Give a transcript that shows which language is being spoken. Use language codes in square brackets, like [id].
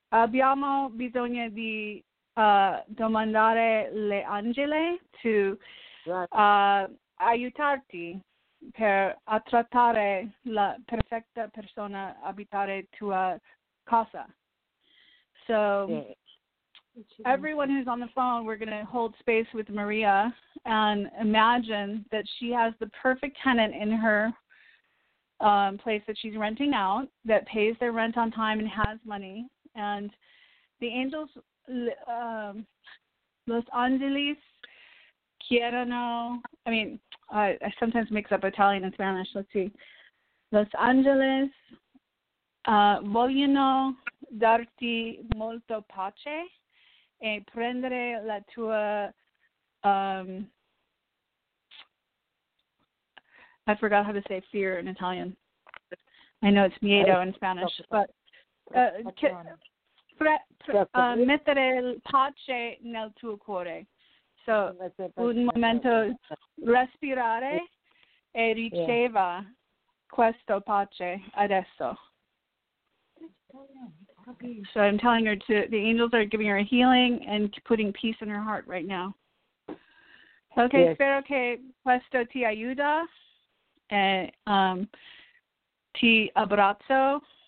[it] Abbiamo bisogno di domandare le angele to aiutarti per attrattare la perfetta persona abitare tua casa. [en] So everyone who's on the phone, we're going to hold space with Maria and imagine that she has the perfect tenant in her place that she's renting out that pays their rent on time and has money. And the angels, [es] Los Angeles, quiero, [en] I mean, I sometimes mix up Italian and Spanish. Let's see. [it] Los Angeles, vogliono darti molto pace e prendere la tua, [en] I forgot how to say fear in Italian. I know it's miedo in Spanish, but [it] mettere pace nel tuo cuore. So, un momento, respirare e riceva questo pace adesso. [en] So I'm telling her to, the angels are giving her a healing and putting peace in her heart right now. Okay, yes. [it] Spero che questo ti aiuta e ti abbraccio.